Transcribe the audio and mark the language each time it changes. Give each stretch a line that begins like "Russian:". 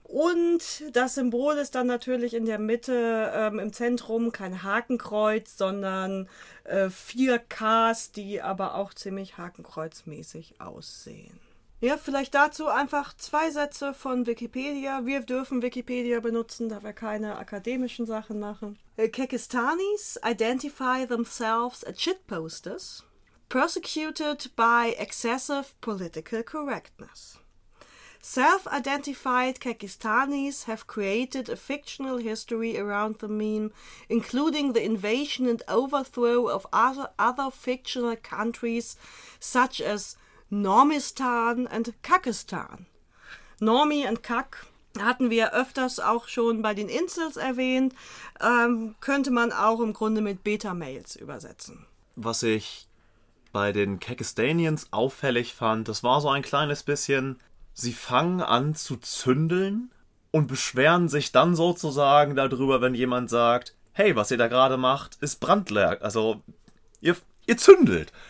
German: Und das Symbol ist dann natürlich in der Mitte, im Zentrum kein Hakenkreuz, sondern vier Ks, die aber auch ziemlich hakenkreuzmäßig aussehen. Ja, vielleicht dazu einfach zwei Sätze von Wikipedia. Wir dürfen Wikipedia benutzen, da wir keine akademischen Sachen machen.
English: Kekistanis identify themselves as shitposters, persecuted by excessive political correctness. Self-identified Kekistanis have created a fictional history around the meme, including the invasion and overthrow of other fictional countries, such as Normistan
German: und
English: Kakistan.
German: Normi und Kak hatten wir öfters auch schon bei den Incels erwähnt, könnte man auch im Grunde mit Beta-Mails übersetzen. Was ich bei den Kekistanians auffällig fand, das war so ein kleines bisschen, sie fangen an zu zündeln und beschweren sich dann sozusagen darüber, wenn jemand sagt, hey, was ihr da gerade macht, ist Brandler. Also, ihr zündelt.